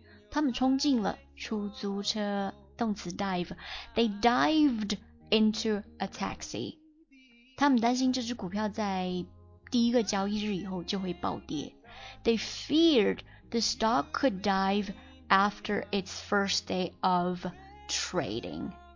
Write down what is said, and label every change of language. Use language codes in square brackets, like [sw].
[zh] 他们冲进了出租车，动词 dive， [en] they dived into a taxi。 [zh] 他们担心这只股票在第一个交易日以后就会暴跌。 [en] They feared the stock could dive after its first day of trading。